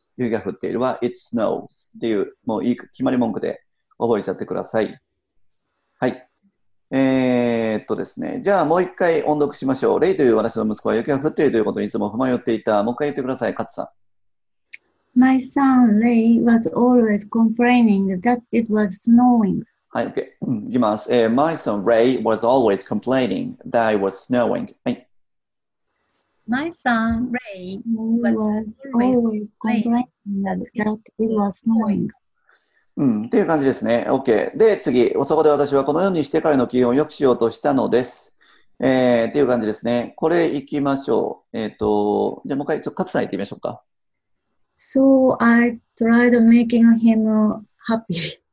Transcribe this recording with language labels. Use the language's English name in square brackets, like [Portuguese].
[Japanese] 雪が降っているは [English] it snows [Japanese] っていう、もういい決まり文句で覚えちゃってください。はい。ですね。じゃあ、もう一回音読しましょう。レイという私の息子は雪が降っているということにいつも不満を言っていた。もう一回言ってください、カツさん。 [English] My son, Ray, was always complaining that it was snowing. [Japanese] はい、OK。行きます。 [English] My son, Ray, was always complaining that it was snowing. [Japanese] はい。 [English] My son, Ray, was always complaining that it was snowing. [Japanese] うん、っていう感じですね。OK。で、次。そこで私はこのようにして彼の気温を良くしようとしたのです。っていう感じですね。これ行きましょう。じゃあもう一回、ちょっと勝さん行ってみましょうか。 [English] So I tried making him happy.